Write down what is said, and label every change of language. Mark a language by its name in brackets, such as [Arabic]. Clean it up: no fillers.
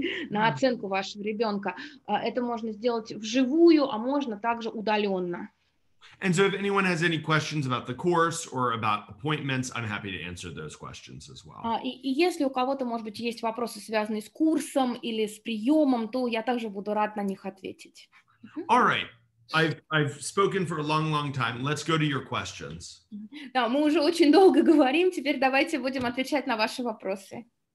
[Russian] На оценку вашего ребенка. Это можно сделать вживую, а можно также удаленно. [English] And so if anyone has any questions about the course or about appointments, I'm happy to answer those questions as well. [Russian] И если у кого-то, может быть, есть вопросы, связанные с курсом или с приемом, то я также буду рад на них ответить. [English] All right. I've spoken for a long, long time. Let's go to your questions. [Russian] Да, мы уже очень долго говорим. Теперь давайте будем отвечать на ваши вопросы.